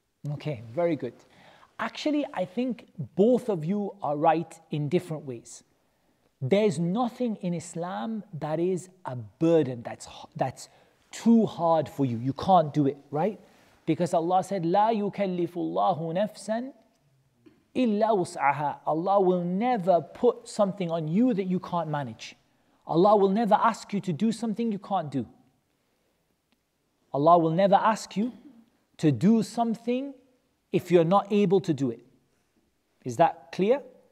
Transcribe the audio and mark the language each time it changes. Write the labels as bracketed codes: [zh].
[en] Okay, very good. Actually, I think both of you are right in different ways. There's nothing in Islam that is a burden, that's too hard for you. You can't do it, right? Because Allah said, [ar] لا يكلف الله نفسا إلا وسعها. [en] Allah will never put something on you that you can't manage. Allah will never ask you to do something you can't do. Allah will never ask you to do something if you're not able to do it. Is that clear?